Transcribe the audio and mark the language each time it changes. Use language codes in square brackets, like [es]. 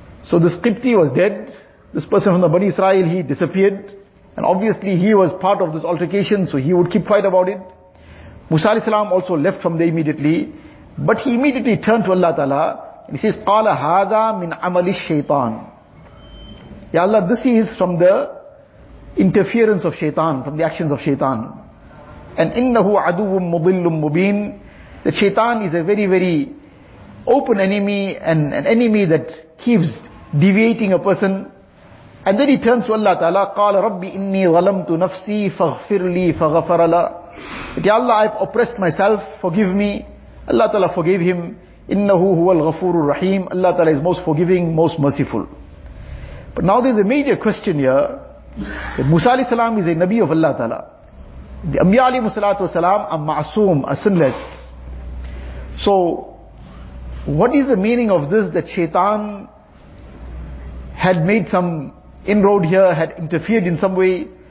[en] So this Qibti was dead, this person from the Bani Israel, he disappeared, and obviously he was part of this altercation, so he would keep quiet about it. Musa alayhi salam also left from there immediately, but he immediately turned to Allah Ta'ala, and he says, [ar] قَالَ هَذَا مِنْ عَمَلِ الشَّيْطَانِ. [en] Ya Allah, this is from the interference of shaitan, from the actions of shaitan. [ar] And إِنَّهُ عَدُوٌ مُضِلٌ مُبِينٌ. [en] That shaitan is a very, very open enemy, and an enemy that keeps deviating a person. And then he turns to Allah Ta'ala, [ar] قَالَ رَبِّ إِنِّي ظَلَمْتُ نَفْسِي فَغْفِرْ لِي فَغَفَرَ لَا. [en] But Ya Allah, I've oppressed myself, forgive me. Allah Ta'ala forgave him. [ar] إِنَّهُ هُوَ الْغَفُورُ الرَّحِيمُ. [en] Allah Ta'ala is most forgiving, most merciful. But now there's a major question here, that Musa alayhi salam is a Nabi of Allah Ta'ala. The Anbiya alayhi salatu wasalam are ma'asoom, are sinless. So, what is the meaning of this, that shaitan had made some inroad here, had interfered in some way?